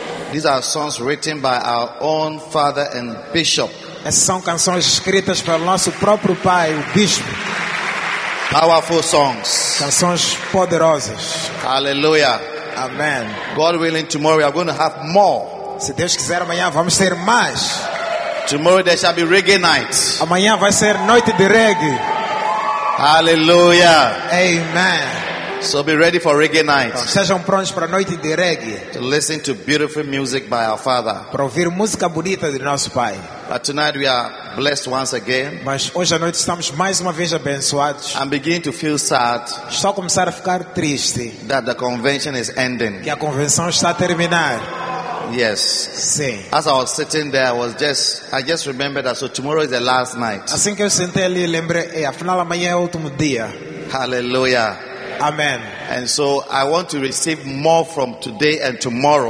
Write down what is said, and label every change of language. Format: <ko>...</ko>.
<en>These are songs written by our own father and bishop.</en> <pt>Essas são canções escritas pelo nosso próprio pai, o bispo.</pt> <en>Powerful songs.</en> <pt>Canções poderosas.</pt> <en>Hallelujah. Amen. God willing, tomorrow we are going to have more.</en> <pt>Se Deus quiser, amanhã vamos ter mais.</pt> <en>Tomorrow there shall be reggae nights.</en> <pt>Amanhã vai ser noite de reggae.</pt> <en>Hallelujah. Amen. So be ready for reggae night.</en> <pt>Sejam prontos para a noite de reggae.</pt> <en>To listen to beautiful music by our Father.</en> <pt>Para ouvir música bonita de nosso Pai.</pt> <en>But tonight we are blessed once again.</en> <pt>Mas hoje à noite estamos mais uma vez abençoados.</pt> <en>I'm beginning to feel sad.</en> <pt>Estou a começar a ficar triste.</pt> <en>That the convention is ending.</en> <pt>Que a convenção está a terminar.</pt> <en>Yes.</en> <pt>Sim.</pt> <en>As I was sitting there, I just remembered that so tomorrow is the last night.</en> <pt>Assim que eu sentei ali, lembrei, afinal amanhã é o último dia.</pt> <en>Hallelujah. Amen. And so I want to receive more from today and tomorrow.</en>